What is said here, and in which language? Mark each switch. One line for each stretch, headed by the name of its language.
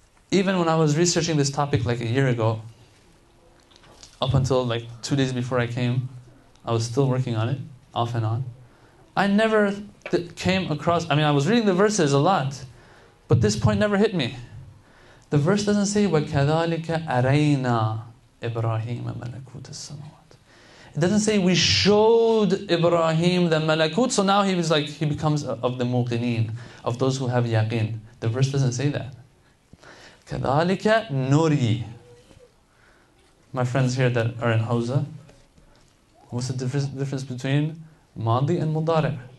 English: Even when I was researching this topic like a year ago, up until like 2 days before I came, I was still working on it, off and on. I never came across, I mean, I was reading the verses a lot, but this point never hit me. The verse doesn't say,
Arabic: وَكَذَلِكَ أَرَيْنَا إِبْرَاهِيمَ مَلَكُوتَ السَّمَوَاتِ.
English: It doesn't say, we showed Ibrahim the malakut, so now he was like, he becomes of the muqineen, of those who have yaqeen. The verse doesn't say that.
Arabic: كَذَلِكَ نُرِي.
English: My friends here that are in Hawza, what's the difference between Madi and Mudari'?